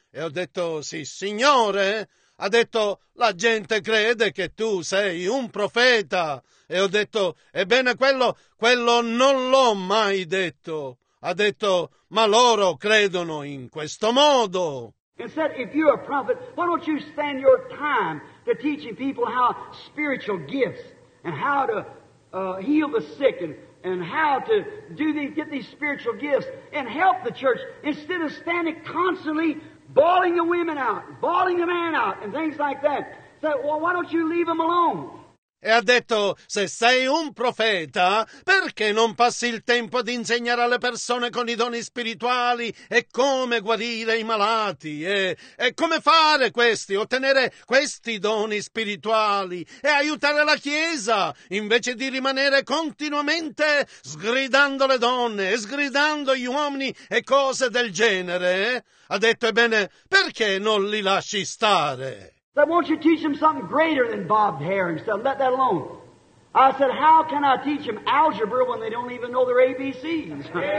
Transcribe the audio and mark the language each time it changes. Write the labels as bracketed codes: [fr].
[it] E ho detto, sì, signore. Ha detto, la gente crede che tu sei un profeta. E ho detto, ebbene quello non l'ho mai detto. Ha detto, ma loro credono in questo modo. [en] And said, if you're a prophet, why don't you spend your time to teaching people how spiritual gifts and how to heal the sick and how to get these spiritual gifts and help the church instead of standing constantly bawling the women out, bawling the man out, and things like that. So, well, why don't you leave them alone? [it] E ha detto, se sei un profeta, perché non passi il tempo ad insegnare alle persone con i doni spirituali e come guarire i malati e come fare questi, ottenere questi doni spirituali e aiutare la Chiesa, invece di rimanere continuamente sgridando le donne e sgridando gli uomini e cose del genere? Ha detto, ebbene, perché non li lasci stare? [en] Said, won't you teach them something greater than bobbed hair and stuff? Let that alone. I said, how can I teach them algebra when they don't even know their ABCs?